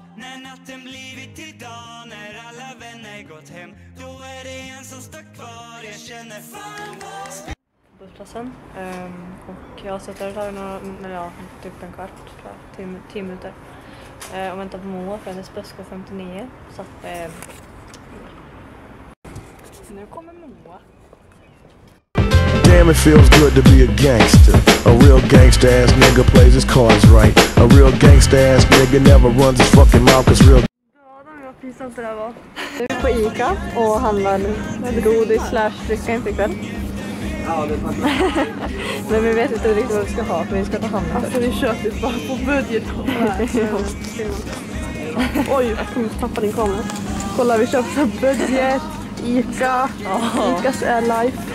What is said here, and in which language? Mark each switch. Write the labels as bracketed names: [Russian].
[Swedish] När natten blivit idag, när alla vänner gått hem, då är det en som står kvar, jag känner fan vad. Bussplatsen, och jag sätter där typ en kvart, tio minuter. Och väntar på Moa för hennes buss går 59. Så att, nu kommer Moa. [English] Damn, it feels good to be a gangster. A real gangster ass nigga plays his cards right. A real gangster ass nigga never runs his fucking mouth cause real. [Swedish] Nu är vi på ICA och handlar godis slash dricka inte ikväll. Ja, men vi vet inte riktigt vad vi ska ha, för vi ska ta hand om det. Alltså, vi kör typ bara på budget. Oj, jag kommer att tappa din kamera. Kolla, vi köpte budget, ICA, ICAs Air Life.